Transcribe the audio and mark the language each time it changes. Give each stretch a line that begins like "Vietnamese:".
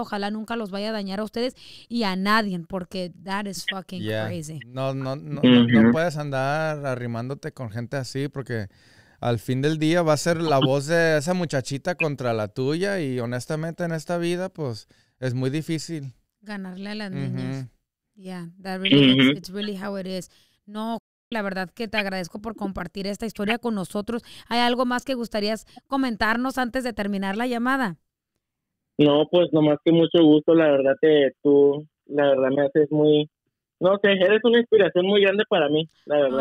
Spanish: Ojalá nunca los vaya a dañar a ustedes y a nadie, porque
English: that is fucking crazy.
Spanish: No puedes andar arrimándote con gente así, porque al fin del día va a ser la voz de esa muchachita contra la tuya. Y honestamente, en esta vida, pues, es muy difícil ganarle a las niñas.
English: Yeah, that really is, it's really how it is.
Spanish: No, la verdad que te agradezco por compartir esta historia con nosotros. ¿Hay algo más que gustarías comentarnos antes de terminar la llamada? No, pues nomás que mucho gusto. La verdad que tú, la verdad me haces muy... No sé, eres una inspiración muy grande para mí, la verdad.